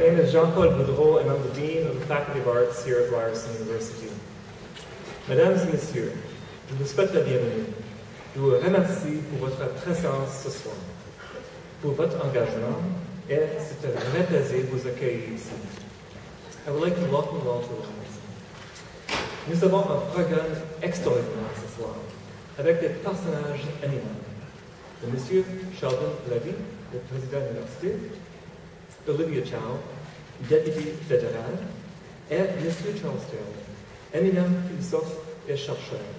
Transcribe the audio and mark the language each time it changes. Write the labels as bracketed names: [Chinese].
[English] Jean-Claude Boudreau, and I'm the Dean of the Faculty of Arts here at Ryerson University. [French] Mesdames et Messieurs, je vous souhaite la bienvenue. Je vous remercie pour votre présence ce soir, pour votre engagement, et c'est un vrai plaisir de vous accueillir ici. [English] I would like to welcome you all to Ryerson. [French] Nous avons un programme extraordinaire ce soir, avec des personnages animés. De Monsieur Sheldon Levy, le président de l'université, Olivia Chow, deputy fédéral, et Monsieur Charles Taylor, éminent philosophe et chercheur.